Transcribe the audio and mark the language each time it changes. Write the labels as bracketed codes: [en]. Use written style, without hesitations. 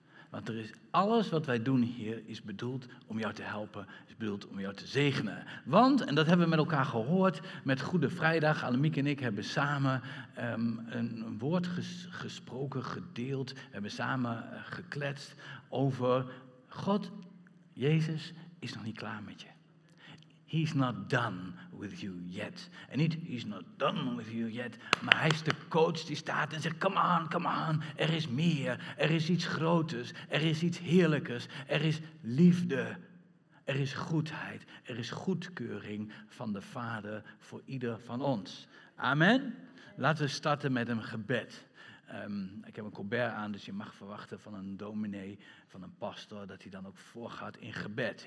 [nl] Want er is alles wat wij doen hier is bedoeld om jou te helpen, is bedoeld om jou te zegenen. Want, en dat hebben we met elkaar gehoord, met Goede Vrijdag, Annemiek en ik hebben samen een woord gesproken, gedeeld, hebben samen gekletst over God, Jezus is nog niet klaar met je. [en] He's not done with you yet. [nl] En niet, [en] he's not done with you yet. [nl] Maar hij is de coach die staat en zegt, [en] come on, come on. [nl] Er is meer. Er is iets groters. Er is iets heerlijkers. Er is liefde. Er is goedheid. Er is goedkeuring van de Vader voor ieder van ons. Amen. Laten we starten met een gebed. Ik heb een colbert aan, dus je mag verwachten van een dominee, van een pastor, dat hij dan ook voorgaat in gebed.